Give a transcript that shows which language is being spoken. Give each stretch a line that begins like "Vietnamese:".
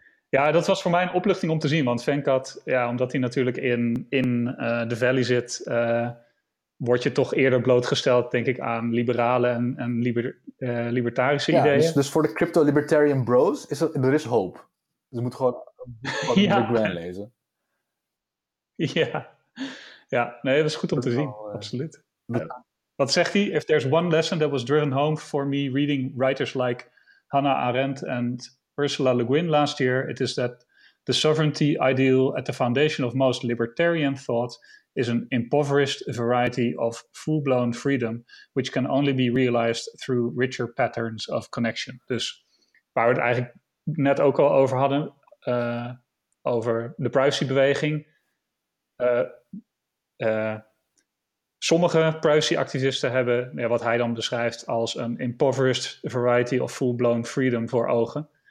Dutch: dat was voor mij een opluchting om te zien, want Venkat, omdat hij natuurlijk in de Valley zit, word je toch eerder blootgesteld, denk ik, aan liberale en libertarische ideeën. Dus voor de crypto-libertarian bros, er is hoop. Ze moeten gewoon Le Guin lezen. Ja, dat is goed om te zien, absoluut. Wat zegt hij?
English: If there's one lesson that was driven home for me reading writers like Hannah Arendt and Ursula Le Guin last year, it is that the sovereignty ideal at the foundation of most libertarian thought is an impoverished variety of full-blown freedom, which can only be realized through richer patterns of connection.
Dutch: Dus waar we het eigenlijk net ook al over hadden, over de privacybeweging. Sommige privacyactivisten hebben wat hij dan beschrijft als een
English: impoverished variety of full-blown freedom
Dutch: voor ogen.